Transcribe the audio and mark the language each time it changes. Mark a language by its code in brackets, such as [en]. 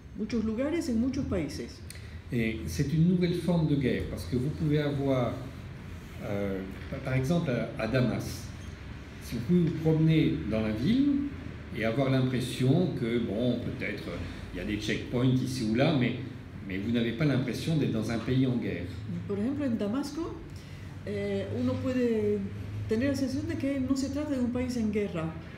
[es] Muchos lugares en muchos países. [fr] C'est une nouvelle forme de guerre, parce que vous pouvez avoir, par exemple, à Damas, si vous vous promenez dans la ville, et avoir l'impression que, bon, peut-être il y a des checkpoints ici ou là, mais vous n'avez pas l'impression d'être dans un pays en guerre. [es] Par exemple, en Damasco, uno puede tener la sensación de que no se trata de un país en guerra.